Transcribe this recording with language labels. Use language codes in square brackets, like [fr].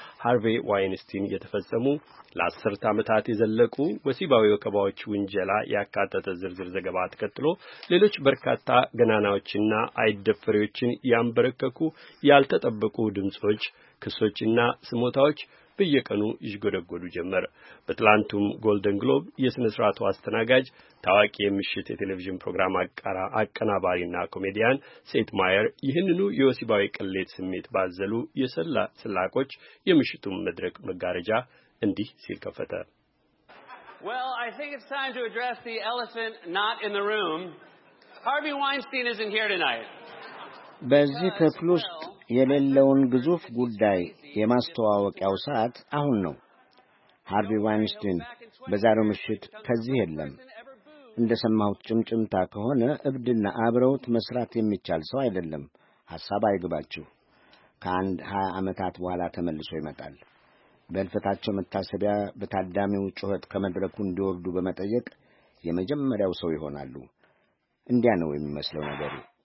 [am] ሃርቬ ዋይንስቲን የተፈጸሙ ለአስርት ዓመታት የዘለቁ ወሲባዊ ወከባዎች ውንጀላ ያካተተ ዝርዝር ዘገባ ተከትሎ ሌሎች በርካታ ገናናዎችና አይደፈሪዎችን ያንበረከኩ ያልተጠበቁ ድምጾች፣ ክሶችና ስሞታዎች በየቀኑ ይጎደጎዱ ጀመር። በትላንቱም ጎልደን ግሎብ የሥነ ሥርዓቱ አስተናጋጅ ታዋቂ የምሽት የቴሌቪዥን ፕሮግራም አቀናባሪና ኮሜዲያን ሴት ማየር ይህንኑ የወሲባዊ ቅሌት ስሜት ባዘሉ የሰላ ስላቆች የምሽቱን መድረክ መጋረጃ እንዲህ ሲል ከፈተ። [en] Well, I think it's time to address the elephant not in the room. Harvey Weinstein isn't here tonight. [am] በዚህ ክፍል ውስጥ የሌለውን ግዙፍ ጉዳይ የማስተዋወቂያው ሰዓት አሁን ነው። ሃርቪ ዋይንስቲን በዛሬው ምሽት ከዚህ የለም። እንደሰማሁት ጭምጭምታ ከሆነ እብድና አብረውት መስራት የሚቻል ሰው አይደለም። ሐሳብ አይግባችሁ። ከአንድ 20 ዓመታት በኋላ ተመልሶ ይመጣል። በልፈታቸው መታሰቢያ በታዳሚው ጩኸት ከመድረኩ እንዲወርዱ በመጠየቅ የመጀመሪያው ሰው ይሆናሉ። እንዲያ ነው የሚመስለው ነገሩ።